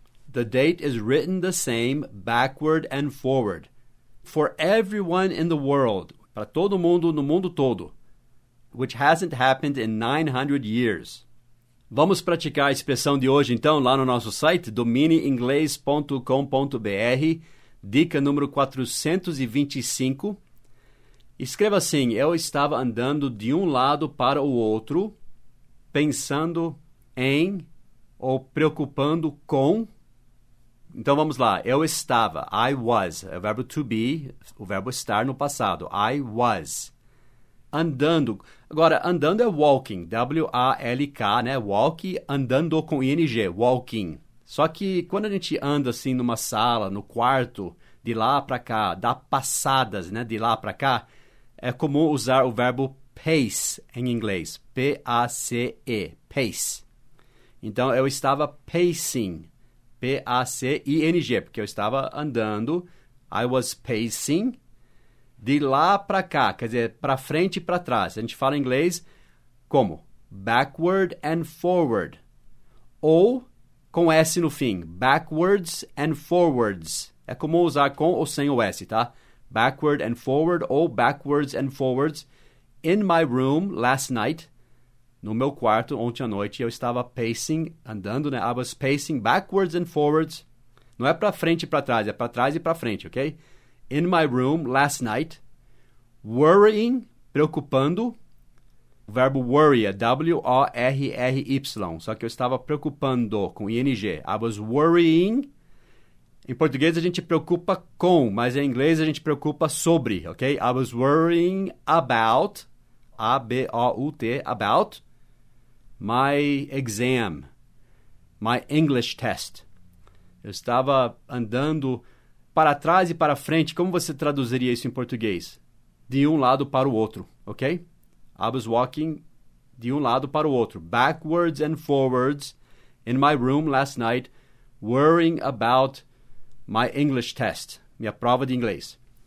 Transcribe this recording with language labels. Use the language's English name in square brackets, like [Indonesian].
[English] The date is written the same, backward and forward. For everyone in the world, [Portuguese] para todo mundo, no mundo todo, [English] which hasn't happened in 900 years. [Portuguese] Vamos praticar a expressão de hoje, então, lá no nosso site, dominioinglês.com.br, dica número 425. Escreva assim: eu estava andando de um lado para o outro, pensando em ou preocupando com. Então vamos lá, eu estava, [English] I was, [Portuguese] o verbo to be, o verbo estar no passado, I was, andando. Agora, andando é walking, W-A-L-K, né? Walk, andando com ing, walking. Só que quando a gente anda assim numa sala, no quarto, de lá para cá, dá passadas, né? De lá para cá, é comum usar o verbo pace em inglês, P-A-C-E, pace. Então, eu estava pacing, P-A-C-I-N-G, porque eu estava andando, [English] I was pacing, [Portuguese] de lá para cá, quer dizer, para frente e para trás. A gente fala em inglês como? [English] Backward and forward, [Portuguese] ou com S no fim, [English] backwards and forwards. [Portuguese] É comum usar com ou sem o S, tá? [English] Backward and forward, ou backwards and forwards. In my room last night, [Portuguese] no meu quarto, ontem à noite, eu estava pacing, andando, né? [English] I was pacing backwards and forwards. [Portuguese] Não é para frente e para trás, é para trás e para frente, ok? [English] In my room last night, worrying, preocupando. [Portuguese] O verbo worry é W-O-R-R-Y. Só que eu estava preocupando com ing. [English] I was worrying. [Portuguese] Em português, a gente preocupa com, mas em inglês, a gente preocupa sobre, ok? [English] I was worrying about, A-B-O-U-T, about my exam, my English test. [Portuguese] Eu estava andando para trás e para frente. Como você traduziria isso em português? De um lado para o outro, ok? [English] I was walking [Portuguese] de um lado para o outro. [English] Backwards and forwards in my room last night, worrying about my English test, [Portuguese] minha prova de inglês.